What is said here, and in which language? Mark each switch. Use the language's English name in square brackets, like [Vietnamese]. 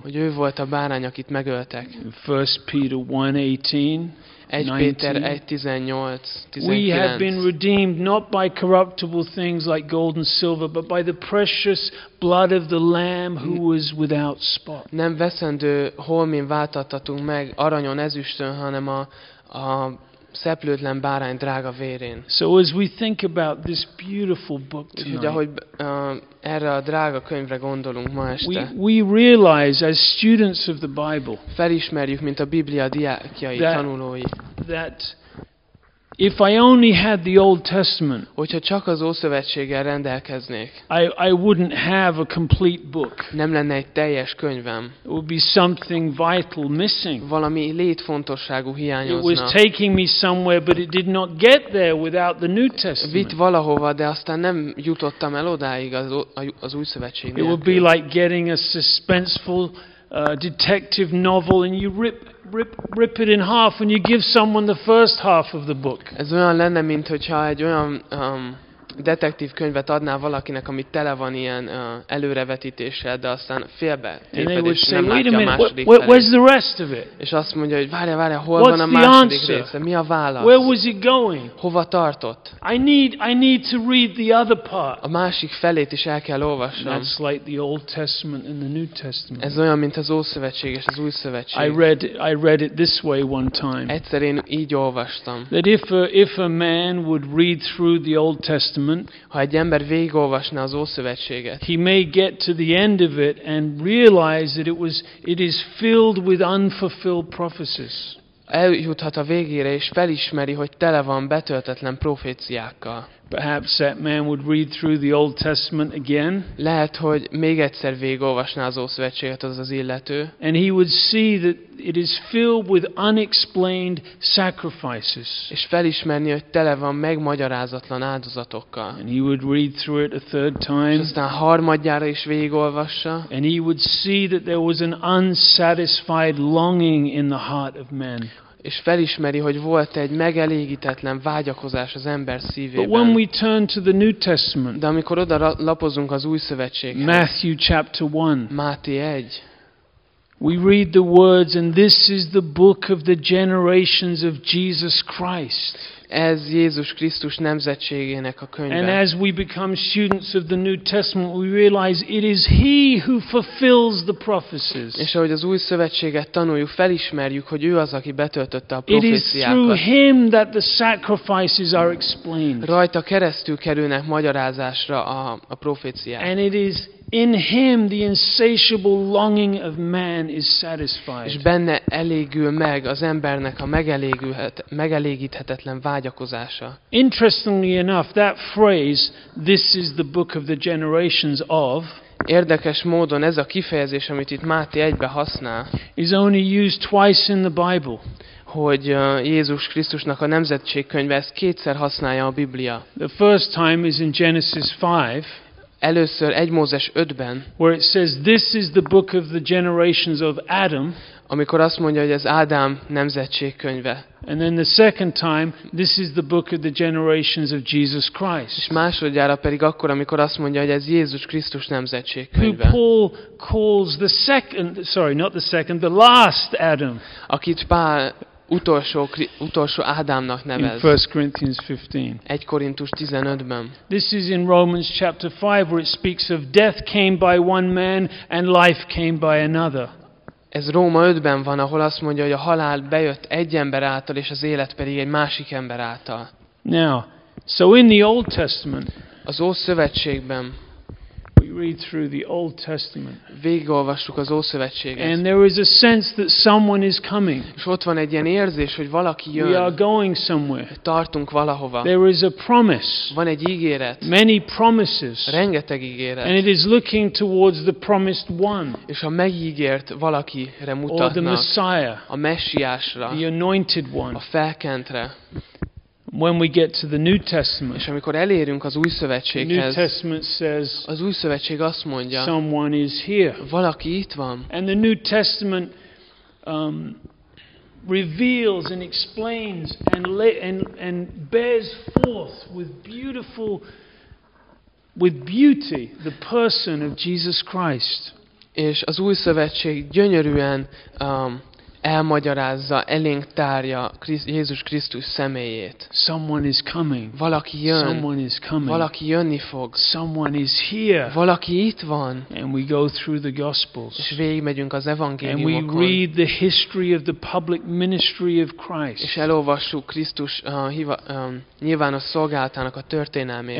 [Hungarian] Hogy ő volt a bárány, akit megöltek. 1 Péter 1:18-19. [English] We have been redeemed not by corruptible things like gold and silver, but by the precious blood of the lamb who was without spot. [Hungarian] Nem veszendő holmin váltattatunk meg aranyon, ezüstön, hanem a szeplőtlen bárány drága vérén. [English] So as we think about this beautiful book tonight, [Hungarian] ahogy erre a drága könyvre gondolunk ma este, [English] we realize as students of the Bible, [Hungarian] felismerjük, mint a Biblia diákjai, tanulói, [English] that if I only had the Old Testament, [Hungarian] hogyha csak az Ószövetséggel rendelkeznék, [English] I wouldn't have a complete book. [Hungarian] Nem lenne egy teljes könyvem. [English] It would be something vital missing. [Hungarian] Valami létfontosságú hiányozna. [English] It was taking me somewhere, but it did not get there without the New Testament. [Hungarian] Vitt valahova, de aztán nem jutottam el odáig az Újszövetség nélkül. [English] It would be like getting a suspenseful detective novel and you rip it in half and you give someone the first half of the book. [Hungarian] Ez olyan lenne, mint hogyha egy olyan detektív könyvet adnál valakinek, ami tele van ilyen előrevetítéssel, de aztán félbe téped, és nem látja a második felét. [English] The rest of it? [Hungarian] És azt mondja, hogy várja, hol [English] What's [Hungarian] van a második része? Mi a válasz? [English] Where was it going? [Hungarian] Hova tartott? [English] I need to read the other part. [Hungarian] A másik felét is el kell olvasnom. [English] That's like the Old Testament and the New Testament. [Hungarian] Ez olyan, mint az Ószövetség és az Újszövetség. [English] I read it this way one time. [Hungarian] Egyszer én így olvastam. [English] That if a man would read through the Old Testament, [Hungarian] ha egy ember végigolvasná az Ószövetséget, [English] he may get to the end of it and realize that it is filled with unfulfilled prophecies. [Hungarian] Eljuthat a végére és felismeri, hogy tele van betöltetlen proféciákkal. [English] Perhaps that man would read through the Old Testament again. [Hungarian] Lehet, hogy még egyszer végigolvasná az Ószövetséget az illető. [English] And he would see that it is filled with unexplained sacrifices. [Hungarian] És felismerni, hogy tele van megmagyarázatlan áldozatokkal. [English] And he would read through it a third time. [Hungarian] És aztán harmadjára is végigolvassa. [English] And he would see that there was an unsatisfied longing in the heart of man. [Hungarian] És felismeri, hogy volt egy megelégítetlen vágyakozás az ember szívében. [English] But when we turn to the New Testament, [Hungarian] de amikor oda lapozunk az Új Szövetséghez, [English] Matthew chapter 1, [Hungarian] Máté 1, [English] we read the words, and this is the book of the generations of Jesus Christ. [Hungarian] Ez Jézus Krisztus nemzetségének a könyve. [English] And as we become students of the New Testament, we realize it is He who fulfills the prophecies. [Hungarian] És ahogy az Új Szövetséget tanuljuk, felismerjük, hogy ő az, aki betöltötte a proféciákat. [English] It is through Him that the sacrifices are explained. [Hungarian] Rajta keresztül kerülnek magyarázásra a proféciák. [English] And it is in Him the insatiable longing of man is satisfied. [Hungarian] És benne elégül meg az embernek a megelégíthetetlen vágyakozása. [English] Interestingly enough, that phrase, "This is the book of the generations of," [Hungarian] érdekes módon ez a kifejezés, amit itt Máté 1-ben használ, [English] is only used twice in the Bible. [Hungarian] Hogy Jézus Krisztusnak a nemzetségkönyve, ezt kétszer használja a Biblia. [English] The first time is in Genesis 5. [Hungarian] Először 1 Mózes 5-ben, [English] where it says this is the book of the generations of Adam, [Hungarian] amikor azt mondja, hogy ez Ádám nemzetségkönyve. [English] And then the second time, this is the book of the generations of Jesus Christ. [Hungarian] És másodjára pedig akkor, amikor azt mondja, hogy ez Jézus Krisztus nemzetségkönyve. [English] Paul calls the second, sorry, not the second, the last Adam. [Hungarian] Akit Pál utolsó Ádámnak nevez. [English] 1 Corinthians 15. [Hungarian] 1 Korintus 15-ben. [English] This is in Romans chapter 5 where it speaks of death came by one man and life came by another. [Hungarian] Ez Róma 5-ben van, ahol azt mondja, hogy a halál bejött egy ember által, és az élet pedig egy másik ember által. [English] Now, so in the Old Testament, [Hungarian] az Ószövetségben, [English] we read through the Old Testament. [Hungarian] Végigolvassuk az Ószövetséget. [English] And there is a sense that someone is coming. [Hungarian] És ott van egy ilyen érzés, hogy valaki jön. [English] We are going somewhere. [Hungarian] Tartunk valahova. [English] There is a promise. [Hungarian] Van egy ígéret. [English] Many promises. [Hungarian] Rengeteg ígéret. [English] And it is looking towards the promised one. [Hungarian] És a megígért valakire mutatnak. [English] Or the Messiah. [Hungarian] A Messiásra. [English] The anointed one. [Hungarian] A felkentre. [English] When we get to the New Testament, [Hungarian] és amikor elérünk az Új Szövetséghez, [English] New Testament says, [Hungarian] az Új Szövetség azt mondja, [English] someone is here. [Hungarian] Valaki itt van. [English] And the New Testament reveals and explains and bears forth with beautiful, with beauty the person of Jesus Christ. [Hungarian] És az Új Szövetség gyönyörűen elmagyarázza, elénk tárja Jézus Krisztus személyét. [English] Someone is coming. [Hungarian] Valaki jön. [English] Someone is coming. [Hungarian] Valaki jönni fog. [English] Someone is here. [Hungarian] Valaki itt van. [English] And we go through the gospels. [Hungarian] És végigmegyünk az evangéliumokon. [English] And we read the history of the public ministry of Christ. [Hungarian] És elolvassuk Krisztus nyilvános szolgálatának a történelmét.